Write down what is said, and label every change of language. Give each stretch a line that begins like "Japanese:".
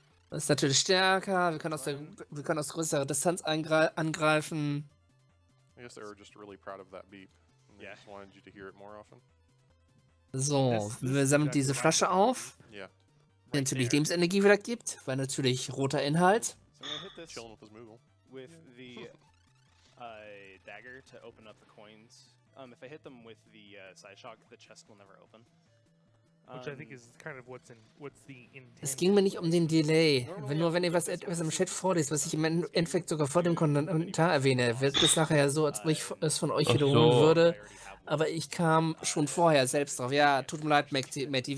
German: Das ist natürlich stärker, wir können aus größerer Distanz angreifen.
English: I guess they were just really proud of that beep. They just wanted you to hear it more often.
German: So, wir sammeln diese Flasche auf.
English: Yeah.
German: Die natürlich Lebensenergie wieder gibt, weil natürlich roter Inhalt.
English: So I'm gonna hit this chilling with his Moogle. With the dagger to open up the coins. If I hit them with the side shock, the chest will never open. Which I think is kind of what's the intent.
German: Es ging mir nicht um den Delay. Wenn nur wenn ihr was etwas im Chat vorliest, was ich im Endeffekt sogar vor dem Kommentar erwähne, wird es nachher so, als ob ich es von euch wiederholen würde. Aber ich kam schon vorher selbst drauf. Ja, tut mir leid, Matty.